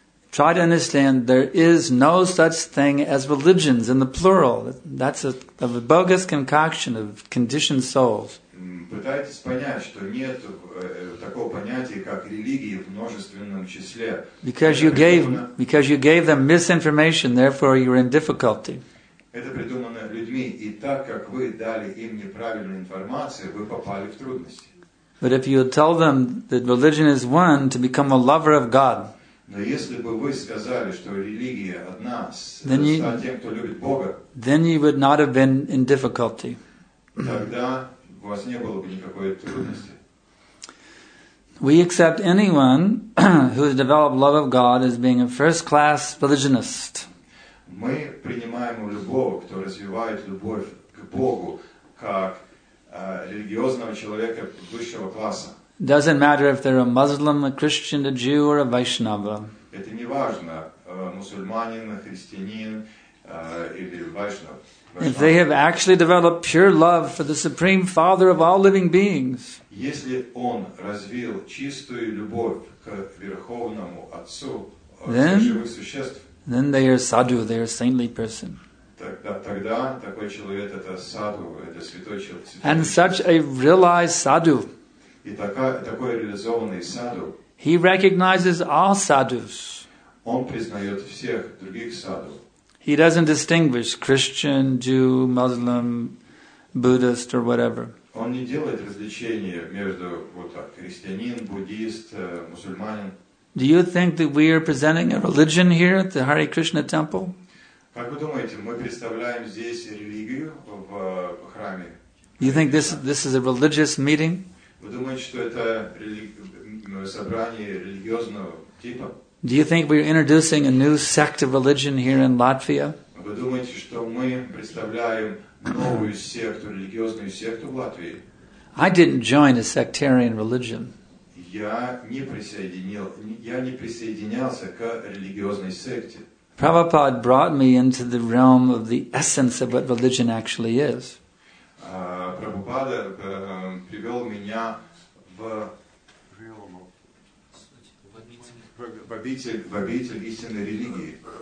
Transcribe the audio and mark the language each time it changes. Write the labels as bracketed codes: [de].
[en] Try to understand there is no such thing as religions in the plural. That's a bogus concoction of conditioned souls. [ru] Пытайтесь понять, что нет такого понятия, как религии в множественном числе. [en] Because you gave them misinformation, therefore you're in difficulty. [ru] Это придумано людьми, и так как вы дали им неправильную информацию, вы попали в трудности. [en] But if you tell them that religion is one, to become a lover of God, then you would not have been in difficulty. We accept anyone who has developed love of God as being a first-class religionist. [ru] Мы принимаем любого, кто развивает любовь к Богу, как религиозного человека высшего класса. [en] Doesn't matter if they're a Muslim, a Christian, a Jew, or a Vaishnava. [ru] Это не важно, мусульманин, христианин или Вайшнава. [en] If they have actually developed pure love for the Supreme Father of all living beings, [ru] если он развил чистую любовь к Верховному Отцу живых существ, [en] then they are sadhu, they are saintly person. [ru] Тогда такой человек это саду, это святой человек. [en] And such a realized sadhu, [ru] и такой реализованный саду, [en] he recognizes all sadhus. [ru] Он признает всех других саду. [en] He doesn't distinguish Christian, Jew, Muslim, Buddhist or whatever. [ru] Он не делает различения между вот так христианин, буддист, мусульманин. [en] Do you think that we are presenting a religion here at the Hare Krishna temple? [ru] Как вы думаете, мы представляем здесь религию в храме? [en] Do you think this is a religious meeting? [ru] Вы думаете, что это собрание религиозного типа? [en] Do you think we're introducing a new sect of religion here in Latvia? [ru] Вы думаете, что мы представляем новую секту, религиозную секту в Латвии? [en] I didn't join a sectarian religion. [ru] Я не присоединялся к религиозной секте. [en] Prabhupada brought me into the realm of the essence of what religion actually is. [ru] Prabhupada привел меня в обитель истинной религии.